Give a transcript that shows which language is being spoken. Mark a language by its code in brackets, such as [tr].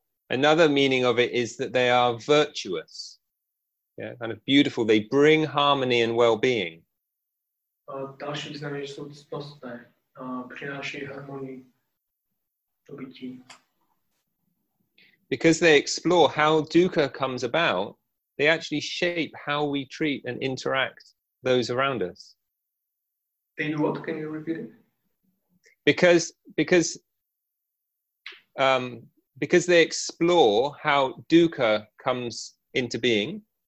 [en] Another meaning of it is that they are virtuous. Yeah, kind of beautiful. They bring harmony and well-being. [cs] Další významy jsou ctnostné. Přináší harmonii do bytí. [en] Because they explore how dukkha comes about, they actually shape how we treat and interact those around us. They do what? Can you repeat it? Because they explore how dukkha comes into being.